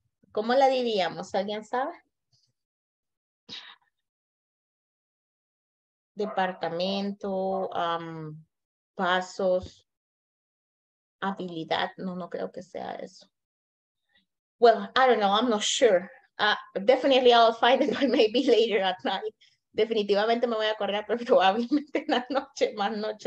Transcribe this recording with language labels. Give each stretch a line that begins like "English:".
Spanish: ¿Cómo la diríamos? ¿Alguien sabe? Departamento, pasos, habilidad, no creo que sea eso.
English: Well, I don't know, I'm not sure. Definitely I'll find it, but maybe later at night.
Spanish: Definitivamente me voy a acordar, pero probablemente en la noche, más noche.